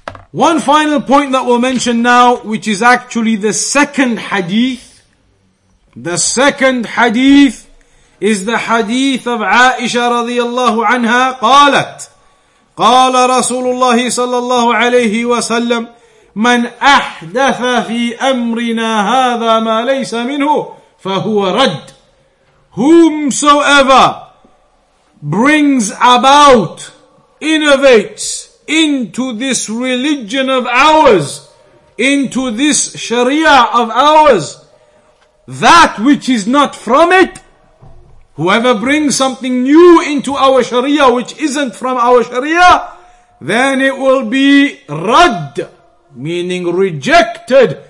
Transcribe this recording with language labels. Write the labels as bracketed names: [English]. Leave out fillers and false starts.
[English] One final point that we'll mention now, which is actually the second hadith. The second hadith is the hadith of Aisha radiallahu anha, qalat. [Arabic] قال رسول الله صلى الله عليه وسلم من أحدث في أمرنا هذا ما ليس منه فهو رد. [English] Whomsoever brings about, innovates into this religion of ours, into this Sharia of ours, that which is not from it, whoever brings something new into our Sharia, which isn't from our Sharia, then it will be rad, meaning rejected.